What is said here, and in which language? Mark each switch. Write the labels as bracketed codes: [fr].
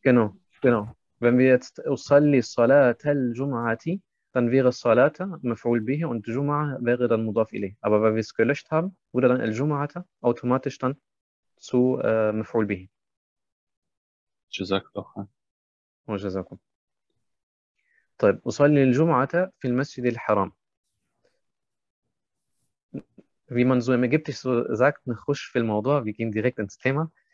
[de] Genau. Wenn wir jetzt [ar] usalli salatal jum'ati, [de] dann wäre salata maf'ul bihi und jum'a wäre dann mudaf ilayh. Aber weil wir es gelöscht haben, wurde dann al-jum'ata automatisch dann zu maf'ul bihi. Jazakallah. Jazakum. [ar] طيب أصلي الجمعة في المسجد الحرام. [de] Wie man so im Ägyptisch so sagt, [ar] نخش في الموضوع. [de] Wir gehen direkt ins Thema.